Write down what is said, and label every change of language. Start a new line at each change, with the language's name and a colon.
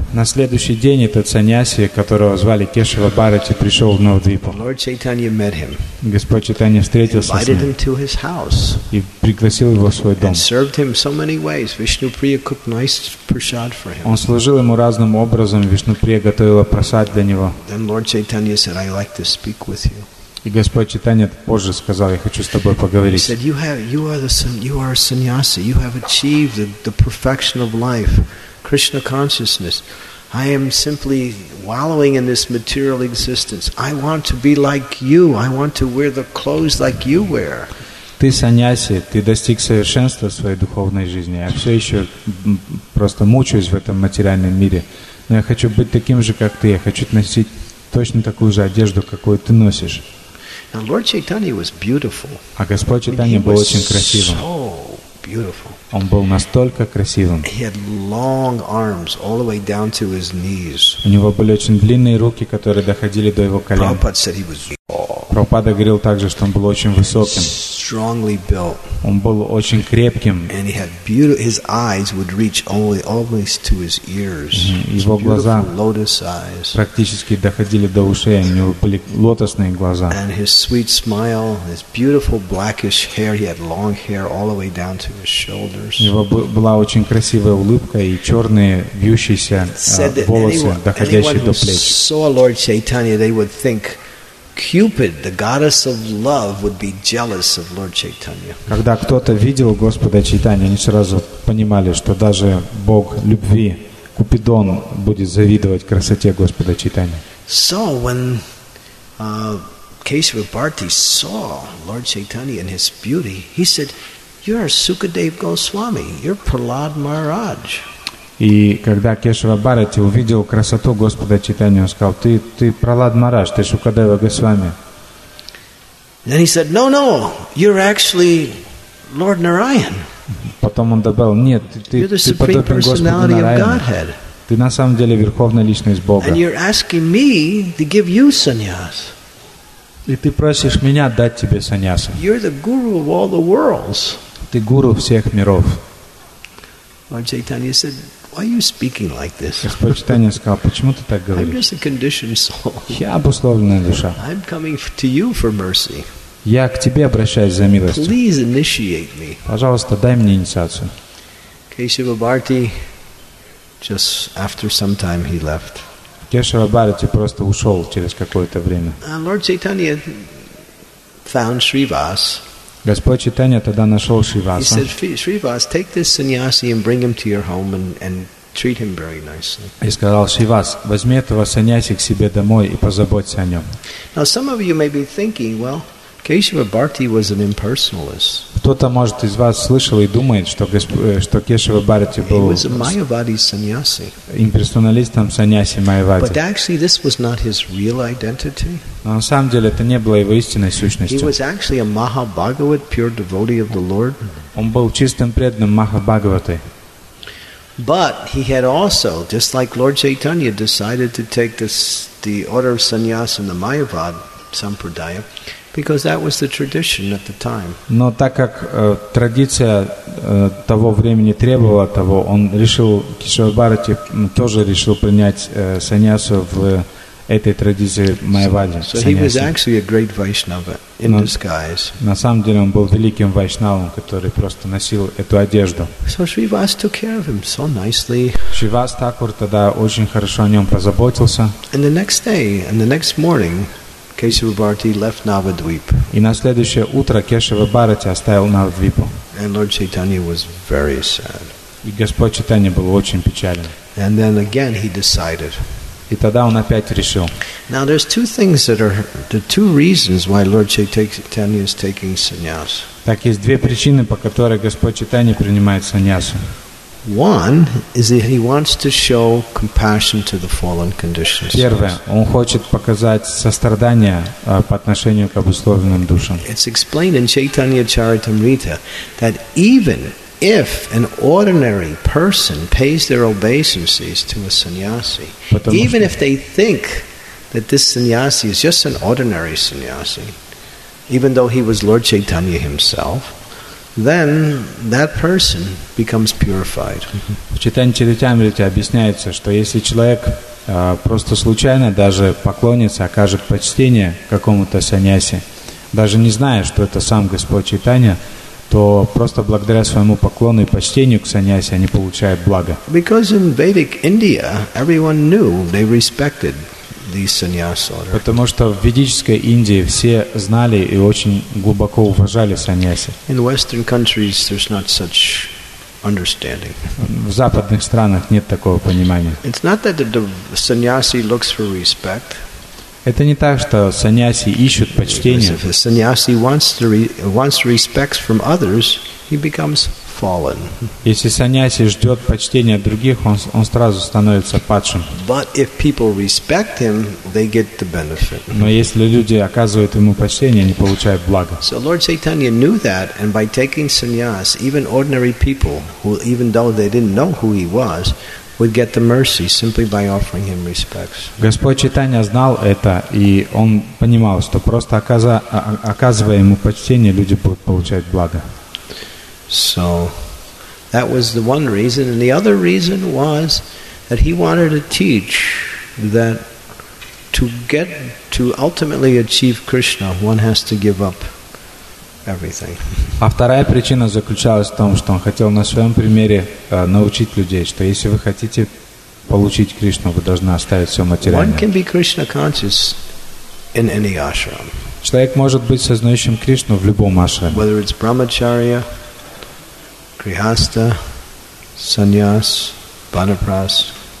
Russian: На следующий день этот саньяси, которого звали Кешава Бхарати, пришел в Навадвипу.
English: Lord Chaitanya met him.
Russian: Господь Чайтанья встретился с ним.
English: Invited him to his house.
Russian: И пригласил его в свой дом.
English: And served him so many ways. Vishnu Priya cooked nice prasad for him.
Russian: Он служил ему разным образом. Вишну Прия готовила прасад для него.
English: Then Lord Chaitanya said, "I like to speak with you."
Russian: И Господь Чайтанья позже сказал, я хочу с тобой поговорить.
English: He said, "You are a sannyasi. You have achieved the perfection of life." Krishna consciousness. I am simply wallowing in this material existence. I want to be like you. I want to wear the clothes like you wear.
Russian: Ты саньяси, ты достиг совершенства в своей духовной жизни. Я все еще просто мучаюсь в этом материальном мире. Но я хочу быть таким же, как ты. Я хочу носить точно такую же одежду, какую ты носишь.
English: Now Lord Chaitanya was beautiful.
Russian: А Господь Чайтанья был очень красивым.
English: So beautiful.
Russian: Он был настолько красивым.
English: He had long arms all the way down to his knees.
Russian: У него были очень длинные руки, которые доходили до его колен.
English: Prabhupada said he was tall.
Russian: Прабхупада говорил также, что он был очень высоким.
English: Strongly built.
Russian: Он был очень крепким.
English: And he had beautiful. His eyes would reach only almost to his ears.
Russian: Его глаза
English: lotus eyes.
Russian: Практически доходили до ушей. У него были лотосные глаза.
English: And his sweet smile, his beautiful blackish hair. He had long hair all the way down to his shoulders.
Russian: У него была очень красивая улыбка и черные вьющиеся волосы, доходящие до плеч.
English: Anyone who saw Lord Chaitanya, they would think Cupid, the goddess of love, would be jealous of Lord Chaitanya.
Russian: Когда кто-то видел Господа Чайтанью, они сразу понимали, что даже Бог любви, Купидон, будет завидовать красоте Господа Чайтанья.
English: So when Keshava Bharti saw Lord Chaitanya and his beauty, he said, "You are Sukadev Goswami. You're Prahlad Maharaj."
Russian: И когда Кешава Бхарати увидел красоту Господа Чайтанья, он сказал, ты Прахлад Махарадж, ты Шукадева Госвами.
English: Then he said, no, you're actually Lord Narayan.
Russian: Потом он добавил, нет, ты подобен Господу Нараяну. Ты на самом деле верховная личность Бога.
English: And you're asking me to give you sannyas.
Russian: И ты просишь меня дать тебе саньясу.
English: You're the guru of all the worlds.
Russian: Ты гуру всех миров.
English: Lord Chaitanya said, "Why are you speaking like this?"
Russian: Господь Чайтанья сказал, почему ты так говоришь?
English: I'm just a conditioned soul.
Russian: Я обусловленная душа.
English: I'm coming to you for mercy.
Russian: Я к тебе обращаюсь за милостью.
English: Please initiate me.
Russian: Пожалуйста, дай мне инициацию.
English: Keshava Bharti, just after some time, he left.
Russian: Кешава Бхарати просто ушел через какое-то время.
English: And Lord Chaitanya found Srivas.
Russian: Господь Чайтанья тогда нашел Шриваса.
English: He said, "Shrivas, take this sannyasi and bring him to your home and treat him very nicely."
Russian: И сказал Шривас, возьми этого саньяси к себе домой и позаботься о нем.
English: Now some of you may be thinking, well, Keshava Bharti was an impersonalist.
Russian: кто-то, может, из вас слышал и думает, что, что Кешава Бхарати был имперсоналистом саньяси Майявади. Но на самом деле это не было его истинной сущностью. Он был чистым преданным Махабхагаватой.
English: But he had also, just like Lord Chaitanya, decided to take the order of sannyas and the Mayavad sampradaya, because that was the tradition at the time.
Russian: Но так как традиция того времени требовала того, он решил, Кешава Бхарати тоже решил принять саньясу в этой традиции Майявади.
English: So he was actually a great Vaishnava in disguise.
Russian: На самом деле он был великим вайшнавом, который просто носил эту одежду.
English: So Shrivas took care of him so nicely.
Russian: Shrivas Thakur тогда очень хорошо о нем позаботился.
English: And the next day, and the next morning, Kesava Bharati left Navadvip.
Russian: И на следующее утро Кешава Бхарати оставил Навадвипу.
English: And Lord Chaitanya was very sad.
Russian: И Господь Чайтанья был очень печален.
English: And then again he decided.
Russian: И тогда он опять решил.
English: Now there's two things that are the two reasons why Lord Chaitanya is taking sannyas.
Russian: Так есть две причины, по которой Господь Чайтанья принимает саньясу.
English: One is that he wants to show compassion to the fallen conditions.
Russian: Первое, он хочет показать сострадание по отношению к обусловленным душам.
English: It's explained in Chaitanya Charitamrita that even if an ordinary person pays their obeisances to a sannyasi, even if they think that this sannyasi is just an ordinary sannyasi, even though he was Lord Chaitanya himself, then that person becomes purified.
Russian: В Чайтанья Чаритамрите объясняется, что если человек просто случайно даже поклонится, окажет почтение какому-то сannyasi, даже не зная, что это сам Господь Чайтанья, то просто благодаря своему поклону и почтению к саньяси они получают благо.
English: Because in Vedic India everyone knew they respected the sannyas order.
Russian: Потому что в ведической Индии все знали и очень глубоко уважали саньяси.
English: In Western countries there's not such understanding.
Russian: В западных странах нет такого понимания.
English: It's not that the sannyasi looks for respect.
Russian: Это не так, что саньяси ищут почтения.
English: If a sannyasi wants respect from others, he becomes fallen.
Russian: Если саньяси ждет почтения от других, он сразу становится падшим.
English: But if people respect him, they get the benefit.
Russian: Но если люди оказывают ему почтение, они получают благо.
English: So Lord Chaitanya knew that, and by taking sannyas, even ordinary people, who even though they didn't know who he was, would get the mercy simply by offering him respects.
Russian: Господь Чайтанья знал это, и он понимал, что просто оказывая ему почтение, люди будут получать благо.
English: So that was the one reason, and the other reason was that he wanted to teach that to ultimately achieve Krishna, one has to give up everything.
Russian: А вторая причина заключалась в том, что он хотел на своем примере научить людей, что если вы хотите получить Кришну, вы должны оставить все материальное.
English: One can be Krishna conscious in any ashram.
Russian: Человек может быть сознающим Кришну в любом ашраме.
English: Whether it's brahmacharya, grihastha, sannyas, vanaprastha.